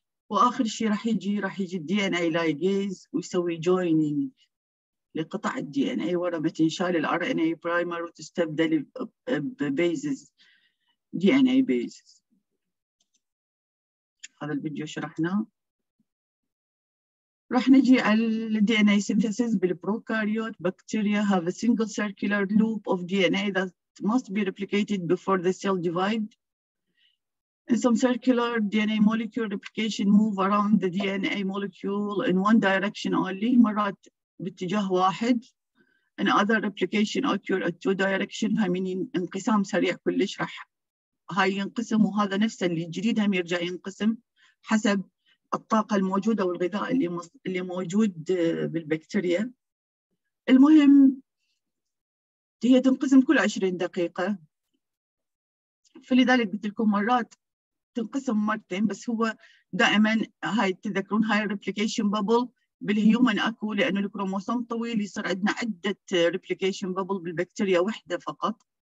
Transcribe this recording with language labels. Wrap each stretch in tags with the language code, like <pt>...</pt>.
<ar>وآخر شيء راح يجي، راح يجي DNA ligase ويسوي joining لقطع DNA ورا ما تنشال الـ RNA primer وتستبدل بـ bases DNA bases. هذا الفيديو شرحناه. راح نجي على DNA synthesis بالبروكاريوت.</ar> <en>Bacteria have a single circular loop of DNA that must be replicated before the cell divide. In some circular DNA molecule replication move around the DNA molecule in one direction only,</en> <ar>مرات باتجاه واحد.</ar> <en>And other replication occur at two directions.</en> <ar>هاي من انقسام سريع كلش، راح هاي ينقسم وهذا نفسه اللي جديد هم يرجع ينقسم حسب الطاقة الموجودة والغذاء اللي موجود بالبكتيريا. المهم هي تنقسم كل 20 دقيقة، فلذلك قلت لكم مرات تنقسم مرتين، بس هو دائما هاي تذكرون هاي ريبليكيشن بابل بالهيومن اكو، لانه الكروموسوم طويل يصير عندنا عده ريبليكيشن بابل بالبكتيريا واحده فقط.</ar>